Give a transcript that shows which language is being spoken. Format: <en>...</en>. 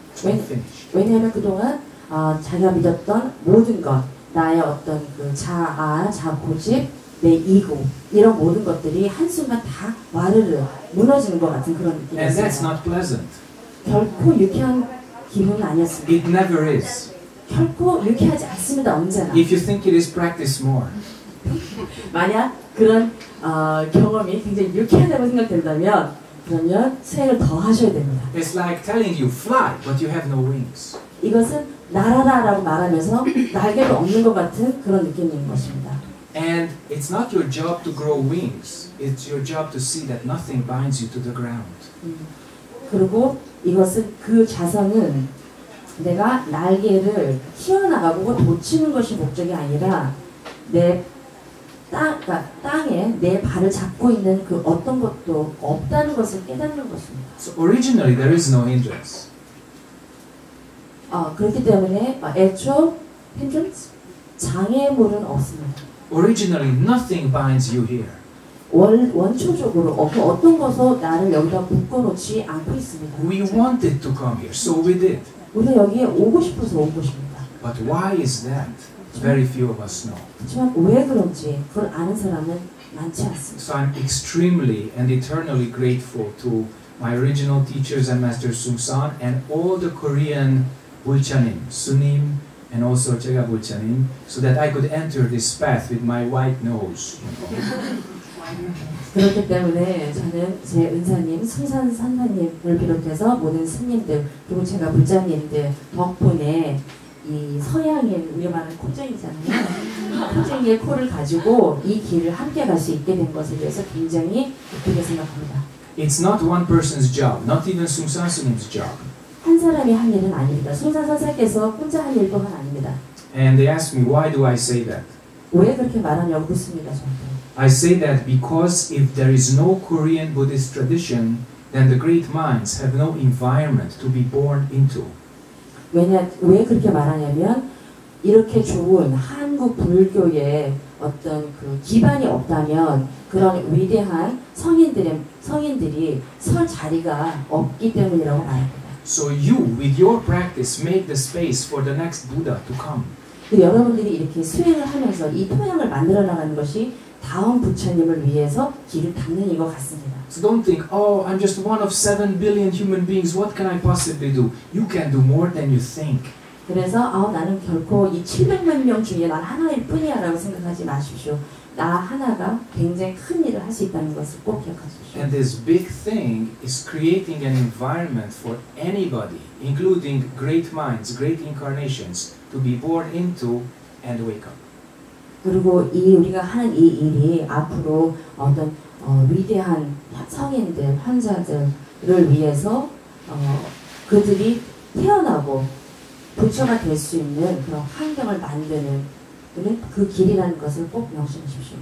<en>It's all finished.</en> <ko>왜냐하면 그동안 자기가 믿었던 모든 것, 나의 어떤 그 자아, 자고집, 내 이고 이런 모든 것들이 한순간 다 와르르 무너지는 것 같은 그런 느낌이었어요.</ko> <en>And that's not pleasant.</en> <ko>결코 유쾌한 기분은 아니었습니다.</ko> <en>It never is.</en> <ko>결코 유쾌하지 않습니다. 언제나.</ko> <en>If you think it is practice more.</en> <ko>만약 그런 경험이 굉장히 유쾌하다고 생각된다면 그러면 수행을 더 하셔야 됩니다.</ko> <en>It's like telling you fly but you have no wings.</en> <ko>이것은 날아라라고 말하면서 날개도 없는 것 같은 그런 느낌인 것입니다.</ko> <en>And it's not your job to grow wings. It's your job to see that nothing binds you to the ground.</en> <ko>그리고 이것은 그 자성은 내가 날개를 키워나가고 놓치는 것이 목적이 아니라 내 그러니까 땅에 내 발을 잡고 있는 그 어떤 것도 없다는 것을 깨닫는 것입니다.</ko> <en>So originally there is no hindrance.</en> <ko>그렇기 때문에 애초 hindrance 장애물은 없습니다.</ko> <en>Originally nothing binds you here.</en> <ko>원초적으로 어떤 것도 나를 여기다 묶어놓지 않고 있습니다.</ko> <en>We wanted to come here, so we did.</en> <ko>우리 여기에 오고 싶어서 온 것입니다.</ko> <en>But why is that? Very few of us know.</en> <ko>하지만 왜 그런지 그걸 아는 사람은 많지 않습니다.</ko> <en>So I'm extremely and eternally grateful to my original teachers and Master Sungsan and all the Korean Bulchanim, Sunim, and also Jega Bulchanim, so that I could enter this path with my white nose.</en> <ko>그렇기 때문에 저는 제 은사님, 승산 선사님을 비롯해서 모든 스님들, 그리고 제가 부자님들 덕분에 이 서양의 우리말은 코쟁이잖아요. 코쟁이의 코를 가지고 이 길을 함께 갈 수 있게 된 것에 대해서 굉장히 기쁘게 생각합니다.</ko> <en>It's not one person's job, not even 승산 스님's job.</en> <ko>한 사람이 한 일은 아닙니다. 승산 선사께서 혼자 한 일뿐은 아닙니다.</ko> <en>And they ask me, why do I say that?</en> <ko>왜 그렇게 말하냐고 묻습니다, 저한테.</ko> <en>I say that because if there is no Korean Buddhist tradition, then the great minds have no environment to be born into.</en> <ko>왜 그렇게 말하냐면 이렇게 좋은 한국 불교의 어떤 그 기반이 없다면 그런 위대한 성인들이 설 자리가 없기 때문이라고 말합니다.</ko> <en>So you with your practice make the space for the next Buddha to come.</en> <ko>여러분들이 이렇게 수행을 하면서 이 토양을 만들어 나가는 것이 다음 부처님을 위해서 길을 닦는 이거 같습니다.</ko> <en>So don't think, oh, I'm just one of 7 billion human beings. What can I possibly do? You can do more than you think.</en> <ko>그래서 나는 결코 이 700만 명 중에 난 하나일 뿐이야라고 생각하지 마십시오. 나 하나가 굉장히 큰 일을 할 수 있다는 것을 꼭 기억하십시오.</ko> <en>And this big thing is creating an environment for anybody, including great minds, great incarnations, to be born into and wake up.</en> <ko>그리고 이 우리가 하는 이 일이 앞으로 어떤 위대한 성인들, 환자들을 위해서 그들이 태어나고 부처가 될 수 있는 그런 환경을 만드는 그 길이라는 것을 꼭 명심하십시오.</ko>